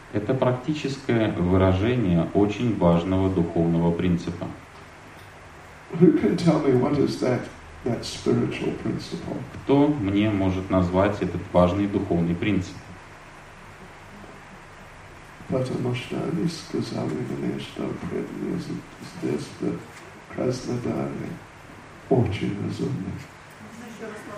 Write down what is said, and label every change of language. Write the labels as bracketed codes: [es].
[ru] Это практическое выражение очень важного духовного принципа. [en] Who can tell me what is that spiritual principle? [ru] Кто мне может назвать этот важный духовный принцип? Потому что они сказали мне, что предназначен Краснодаре очень разумный.